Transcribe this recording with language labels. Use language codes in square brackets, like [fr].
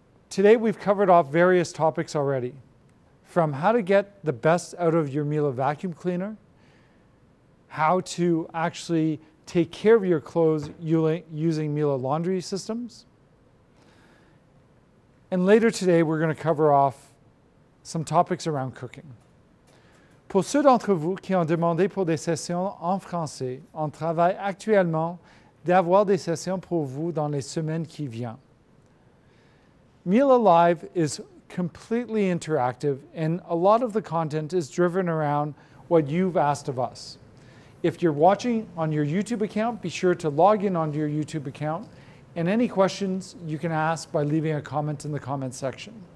[en] Today, we've covered off various topics already, from how to get the best out of your Miele vacuum cleaner, how to actually take care of your clothes using Miele laundry systems. And later today, we're going to cover off some topics around cooking. [fr] Pour ceux d'entre vous qui ont demandé pour des sessions en français, on travaille actuellement d'avoir des sessions pour vous dans les semaines qui viennent. [en] Miele Live is completely interactive, and a lot of the content is driven around what you've asked of us. If you're watching on your YouTube account, be sure to log in onto your YouTube account, and any questions you can ask by leaving a comment in the comment section.